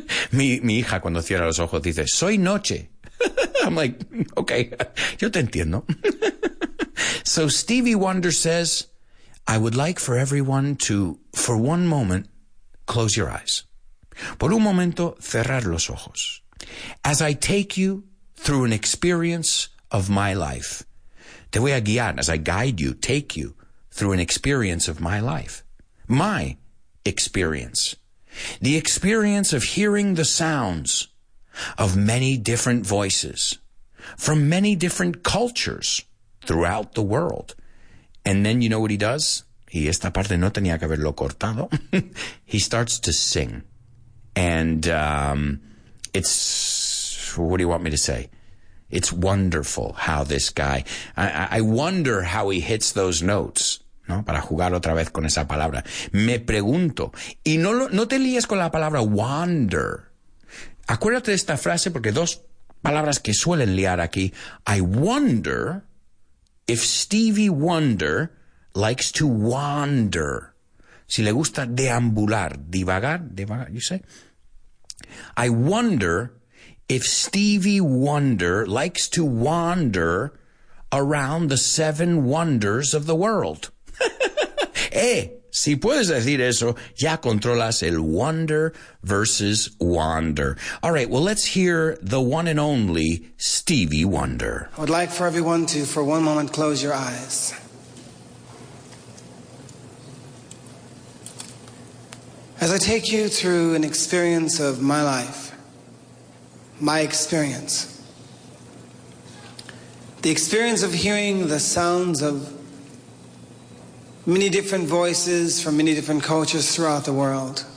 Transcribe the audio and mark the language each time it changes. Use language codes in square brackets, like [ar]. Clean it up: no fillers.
[es] mi hija, cuando cierra los ojos, dice, soy noche. [en] I'm like, okay, [es] yo te entiendo. [en] So Stevie Wonder says, I would like for everyone to, for one moment, close your eyes. [es] Por un momento, cerrar los ojos. [en] As I take you through an experience of my life. [es] Te voy a guiar, [en] as I guide you, take you through an experience of my life, my experience, the experience of hearing the sounds of many different voices from many different cultures throughout the world. And then you know what he does? [es] Y esta parte no tenía que haberlo cortado. [en] He starts to sing. And it's, what do you want me to say? It's wonderful how this guy, I wonder how he hits those notes. [es] ¿No? Para jugar otra vez con esa palabra. Me pregunto. Y no te líes con la palabra wander. Acuérdate de esta frase porque dos palabras que suelen liar aquí. [en] I wonder if Stevie Wonder likes to wander. [es] Si le gusta deambular, divagar, [en] you say? I wonder if Stevie Wonder likes to wander around the seven wonders of the world. [es] Si puedes decir eso, ya controlas el wonder versus wander. [en] All right, well, let's hear the one and only Stevie Wonder. I would like for everyone to, for one moment, close your eyes. As I take you through an experience of my life, my experience, the experience of hearing the sounds of many different voices from many different cultures throughout the world.